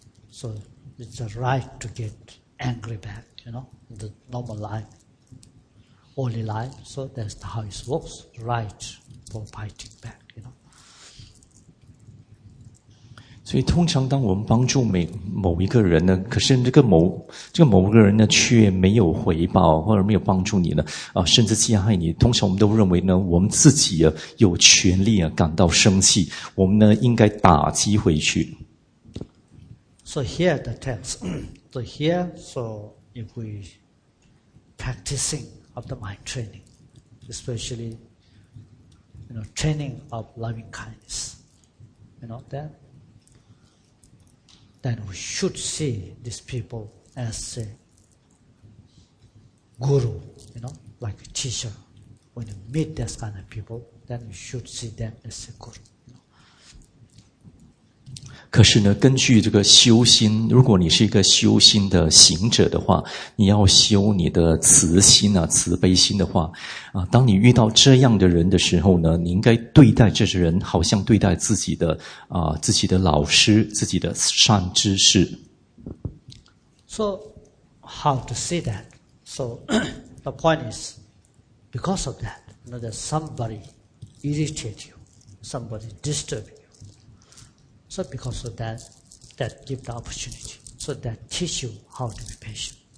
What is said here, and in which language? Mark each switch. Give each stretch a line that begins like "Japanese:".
English: So it's a right to get angry back, you know, in the normal life, holy life. So that's how it works, right for fighting back, you know.
Chinese: 所以通常当我们帮助某一个人呢，可是这个某个人呢却没有回报或者没有帮助你呢啊，甚至加害你，通常我们都认为呢我们自己啊有权利啊感到生气，我们呢应该打击回去。
English: So here the text, so here, so if we practicing of the mind training, especially, you know, training of loving kindness, you know that. Then we should see these people as a guru, you know, like a teacher. When you meet this kind of people, then you should see them as a guru. You know?
Chinese: 可是呢，根据这个修心，如果你是一个修心的行者的话，你要修你的慈心啊，慈悲心的话啊，当你遇到这样的人的时候呢，你应该对待这些人好像对待自己的啊，自己的老师，自己的善知识。
English: So, how to say that? So, The point is, because of that, you know, that somebody irritates you, somebody disturbs you. So because of that, that gives the opportunity. So that teaches you how to be patient.